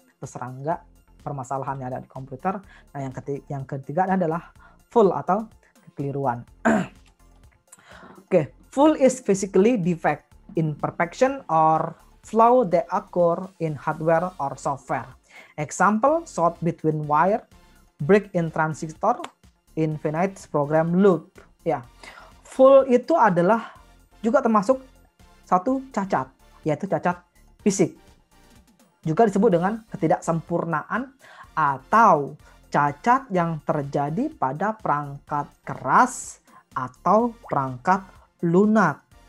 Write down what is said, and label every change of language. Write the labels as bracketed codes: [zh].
[id] Serangga, permasalahan yang ada di komputer. Nah, yang ketiga adalah fool atau kekeliruan. [en] Oke, fool is physically defect, imperfection or flaw that occur in hardware or software. Example, short between wire, break in transistor, infinite program loop. [id] Ya, flaw itu adalah juga termasuk satu cacat, yaitu cacat fisik. Juga disebut dengan ketidaksempurnaan atau cacat yang terjadi pada perangkat keras atau perangkat lunak.